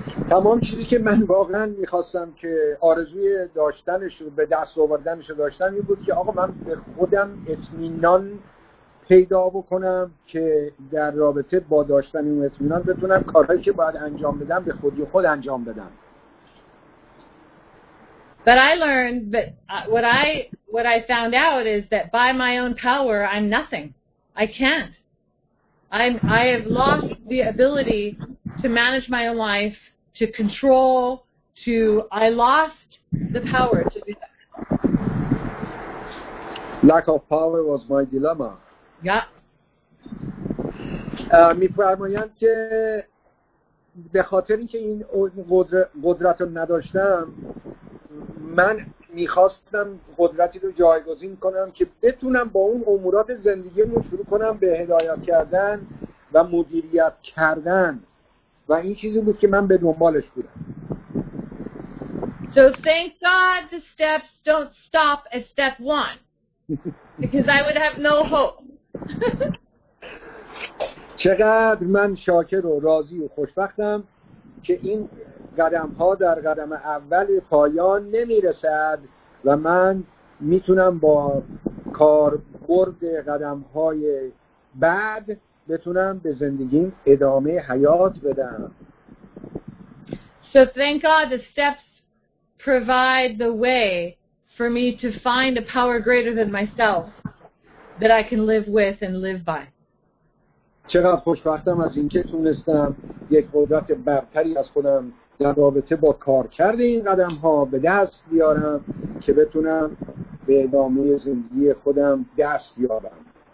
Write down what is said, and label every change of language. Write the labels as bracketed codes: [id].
[fa] تمام چیزی که من واقعا میخواستم که آرزوی داشتنش رو به دست آوردنش رو داشتم این بود که آقا من به خودم اطمینان پیدا بکنم که در رابطه با داشتن این اطمینان بتونم کارهایی که باید انجام بدم به خودی خود انجام بدم. [en] But I learned that what I found out is that by my own power I'm nothing. I can't. I have lost the ability to manage my own life. To control, to I lost the power to do that. Lack of power was my dilemma. Yeah. [fa] می‌فرمایم که به خاطر اینکه این قدرت رو نداشتم، من می‌خواستم قدرتی رو جایگزین کنم که بتونم با اون امورات زندگی رو شروع کنم به هدایت کردن و مدیریت کردن. و این چیزی بود که من به دنبالش بودم. [en] So thank God the steps don't stop at step one. Because I would have no hope. [fa] چقدر من شاکر و راضی و خوشبختم که این قدم ها در قدم اول پایان نمیرسد و من میتونم با کاربرد قدم های بعد بتونم به زندگیم ادامه حیات بدم. [en] So thank God the steps provide the way for me to find a power greater than myself that I can live with and live by. [fa] چقدر خوشبختم از اینکه تونستم یک قدرت برتری از خودم در رابطه با کار کرده این قدم ها به دست بیارم که بتونم به ادامه زندگی خودم دست بیارم.